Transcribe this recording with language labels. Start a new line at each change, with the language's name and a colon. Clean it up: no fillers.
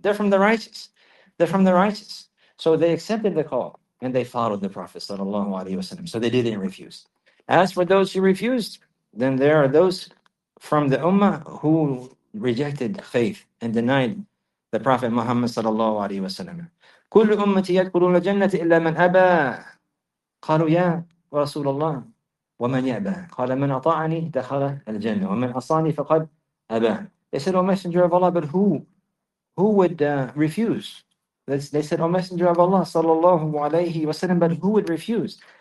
English: They're from the righteous. They're from the righteous. So they accepted the call and they followed the Prophet sallallahu alayhi wa sallam. So they didn't refuse. As for those who refused, then there are those from the ummah who rejected faith and denied the Prophet Muhammad sallallahu alayhi wa sallam.
Arabic: كل أمتي يدخلون الجنة إلا من أبى. قالوا يا رسول الله ومن يأبى. قال من أطاعني دخل الجنة ومن عصاني فقد أبى.
English: They said, O Messenger of Allah, but who would refuse? They said, O Messenger of Allah sallallahu alayhi wa sallam, but who would refuse?